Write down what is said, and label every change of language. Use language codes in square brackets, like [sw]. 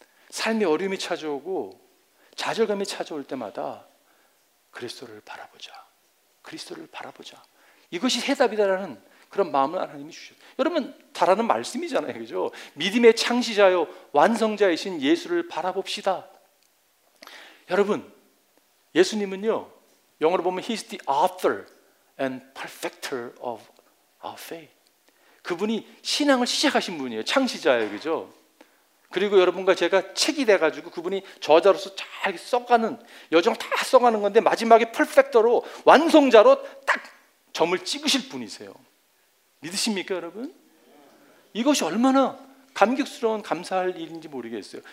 [ko] 삶의 어려움이 찾아오고 좌절감이 찾아올 때마다 그리스도를 바라보자. 그리스도를 바라보자. 이것이 해답이다라는 그런 마음을 하나님이 주셨어요. 여러분 잘하는 말씀이잖아요. 그죠? 믿음의 창시자요 완성자이신 예수를 바라봅시다. 여러분 예수님은요 영어로 보면 [en] He's the author and perfecter of our faith. [ko] 그분이 신앙을 시작하신 분이에요. 창시자예요. 그죠? 그리고 여러분과 제가 책이 돼가지고 그분이 저자로서 잘 써가는 여정을 다 써가는 건데 마지막에 perfecter로 완성자로 딱 점을 찍으실 분이세요. 믿으십니까 여러분? 이것이 얼마나 감격스러운 감사할 일인지 모르겠어요.